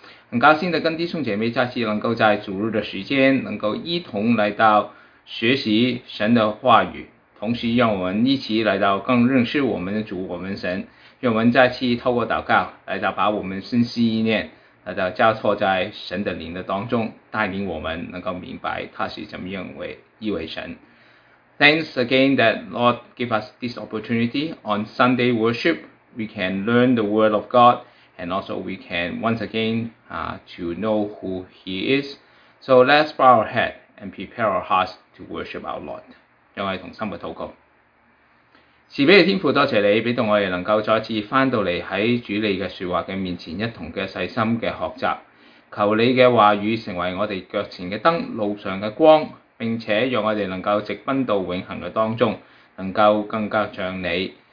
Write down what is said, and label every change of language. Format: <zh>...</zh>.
<zh>很高兴的跟弟兄姐妹再次能够在主日的时间，能够一同来到学习神的话语。同时让我们一起来到更认识我们的主，我们神，让我们再次透过祷告来到把我们心思意念来到交托在神的灵的当中，带领我们能够明白他是怎么样为一位神。</zh> <en>Thanks again that Lord give us this opportunity on Sunday worship. We can learn the word of God and also we can once again to know who he is. So let's bow our head and prepare our hearts to worship our Lord.</en> <zh>让我们同心的祷告。慈悲的天父，多谢你给到我们能够再次回到你在主你的说话的面前，一同的细心的学习。求你的话语成为我们脚前的灯，路上的光，并且让我们能够直奔到永恒的当中，能够更加像你。</zh>